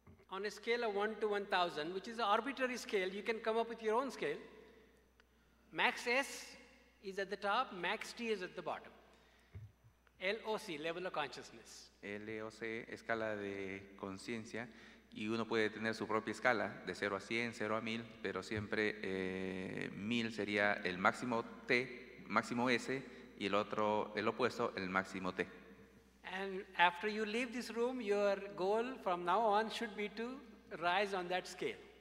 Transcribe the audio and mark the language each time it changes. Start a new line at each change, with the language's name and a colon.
English: On a scale of 1 to 1,000, which is an arbitrary scale, you can come up with your own scale. Max S is at the top, max T is at the bottom. LOC, level of consciousness.
Spanish: LOC, escala de conciencia, y uno puede tener su propia escala, de 0 a 100, 0 a 1,000, pero siempre 1,000 sería el máximo T, máximo S, y el otro, el opuesto, el máximo T.
English: And after you leave this room, your goal from now on should be to rise on that scale.